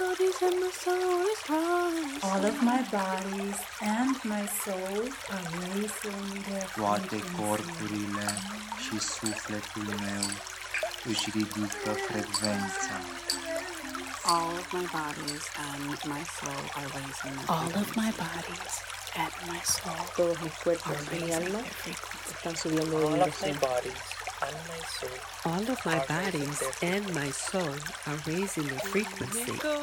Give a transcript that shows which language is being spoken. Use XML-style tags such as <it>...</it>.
<en>All of my bodies and my soul are raising their frequency.</en> <ro>Toate corpurile și sufletul meu își ridică frecvența.</ro> <en>All of my bodies and my soul are raising their all of my bodies and my soul</en> <es>todos mis cuerpos</es> <en>are raising</en> <es>mi alma</es> <en>their</en> <es>están subiendo</es> <en>all</en> <es>de</es> <en>of my bodies and my soul all of my bodies and my soul are raising their frequency.</en>